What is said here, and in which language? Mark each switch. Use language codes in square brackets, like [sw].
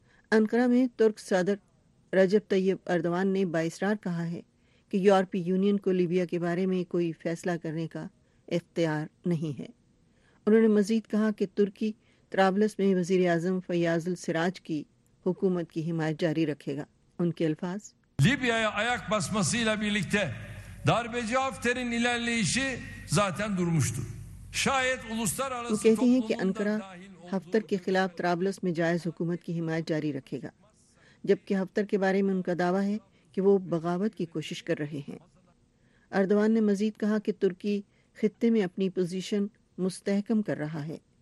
[ur] Ankara میں ترک صدر رجب طیب اردوان نے باصرار کہا ہے کہ یورپی یونین کو لیبیا کے بارے میں کوئی فیصلہ کرنے کا اختیار نہیں ہے. انہوں نے مزید کہا کہ ترکی ترابلس میں وزیر اعظم فیاض السراج کی حکومت کی حمایت جاری رکھے گا. ان کے الفاظ، [tr] لیبیا ayak basmasıyla birlikte darbeci Hafter'in ilerleyişi zaten durmuştu. Şayet uluslararası [ur] وہ کہتے ہیں کہ انقرہ ہفتر کے خلاف ترابلس میں جائز حکومت کی حمایت جاری رکھے گا، جبکہ ہفتر کے بارے میں ان کا دعویٰ ہے کہ وہ بغاوت کی کوشش کر رہے ہیں. اردوان نے مزید کہا کہ ترکی خطے میں اپنی پوزیشن مستحکم کر رہا ہے.